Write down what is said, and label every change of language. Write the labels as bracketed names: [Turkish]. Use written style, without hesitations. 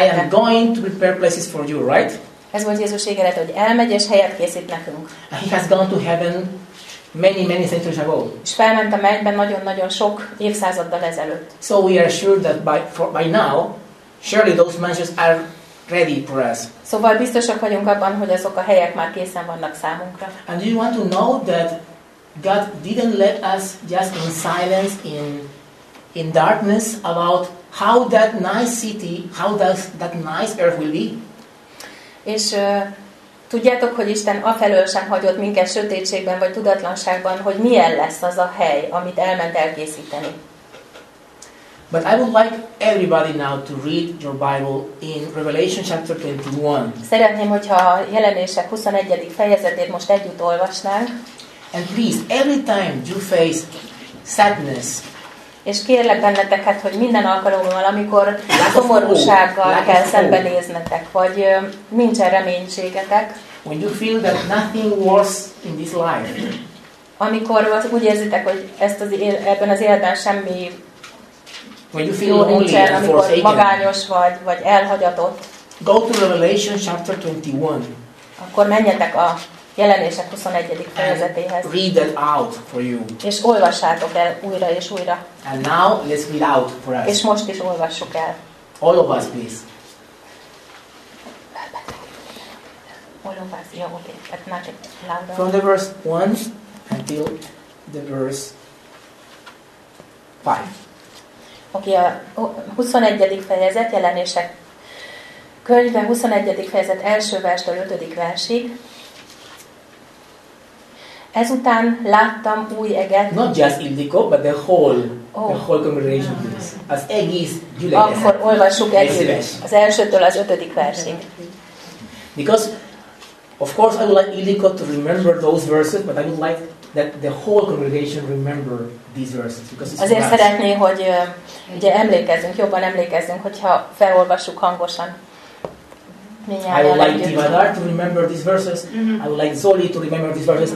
[English] I am going to prepare places for you, right? [Hungarian] Ez volt Jézus ígéret, hogy elmegy és helyet készít nekünk. [English] He has gone to heaven many, many centuries ago. [Hungarian] És felment a mennyben nagyon-nagyon sok évszázaddal ezelőtt. [English] So we are sure that by now, surely those mansions are ready for us. [Hungarian] Szóval biztosak vagyunk abban, hogy azok a helyek már készen vannak számunkra. [English] And you want to know that God didn't let us just in silence in darkness about how that nice city, how that nice earth will be. [Hungarian] És tudjátok, hogy Isten afelől sem hagyott minket sötétségben vagy tudatlanságban, hogy milyen lesz az a hely, amit elment elkészíteni. [English] But I would like everybody now to read your Bible in Revelation chapter 21. [Hungarian] Szeretném, hogyha a Jelenések 21. fejezetét most együtt olvasnánk. [English] And please, every time you face sadness. [Hungarian] És kérlek benneteket, hogy minden alkalommal, amikor szomorúsággal kell szembenéznetek, vagy nincsen reménységetek. [English] When you feel that nothing works in this life. [Hungarian] Amikor úgy érzitek, hogy ezt az ebben az életben semmi [English] when you feel lonely and forsaken, [Hungarian] amikor magányos vagy elhagyatott, [English] go to Revelation chapter 21. [Hungarian] Akkor menjetek a Jelenések 21. fejezetéhez. [English] Read that out for you. [Hungarian] És olvassátok el újra és újra. [English] And now let's read out for us. [Hungarian] És most is olvassuk el. [English] All of us, please. All of us, yeah, okay. But not louder. From the verse 1 until the verse 5. [Hungarian] Okay, a 21. fejezet, Jelenések könyve 21. fejezet első verstől 5. versig. Ezután láttam új eget. [English] Not just Ildikó, but the whole congregation. [Hungarian] Az egész gyülekezet. Akkor olvassuk együtt az elsőtől az ötödik versig. [English] Because of course I would like Ildikó to remember those verses, but I would like that the whole congregation remember these verses. [Hungarian] Azért szeretné, hogy ugye emlékezzünk, jobban emlékezzünk, hogyha felolvassuk hangosan. [English] I would like Divadar to remember these verses. I would like Zoli to remember these verses.